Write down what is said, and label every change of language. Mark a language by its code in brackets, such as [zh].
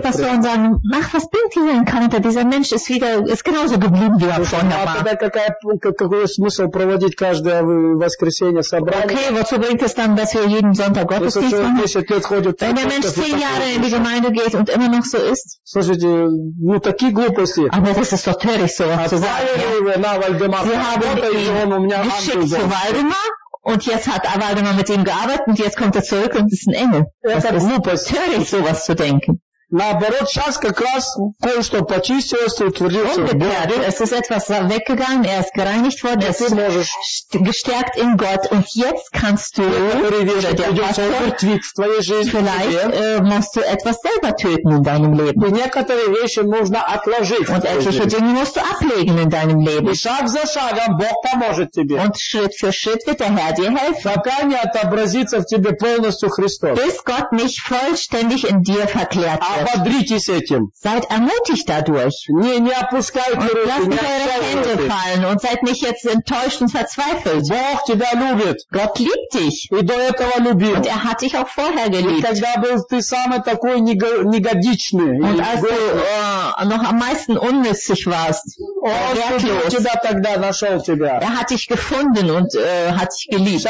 [de] Pastoren sagen, ach, was bringt dieser Encounter? Dieser Mensch ist wieder, ist genauso geblieben, wie er vorher war. Okay, wozu bringt es dann, dass wir jeden Sonntag Gottesdienst machen? Wenn der Mensch 10 Jahre in die Gemeinde geht und immer noch so ist. [ru] Слушайте, ну, такие глупости. [de] Aber das ist so törig, so was zu sagen. Sie haben ihn geschickt zu Waldemar und jetzt hat Waldemar mit ihm gearbeitet und jetzt kommt er zurück und ist ein Engel. Das ist törig, so was zu denken. [ru] Наоборот, сейчас как раз кое-что почистилось, утвердилось. [de] Es ist etwas weggegangen, er ist gereinigt worden, es ist gestärkt in Gott. Und jetzt kannst du, musst du etwas selber töten in deinem Leben. [ru] И некоторые вещи нужно отложить. [de] Und etliche Dinge musst du ablegen in deinem Leben. [ru] И шаг за шагом Бог поможет тебе. [de] Und Schritt für Schritt wird der Herr dir helfen. [ru] Пока не отобразится в тебе полностью Христос. [de] Bis Gott nicht vollständig in dir verklärt wird. Seid ermutigt dadurch. Lasst nicht eure Hände fallen und seid nicht jetzt enttäuscht und verzweifelt. Gott liebt dich. Und er hat dich auch vorher geliebt. Und als du noch am meisten unnützig warst, wertlos, er hat dich gefunden und hat dich geliebt.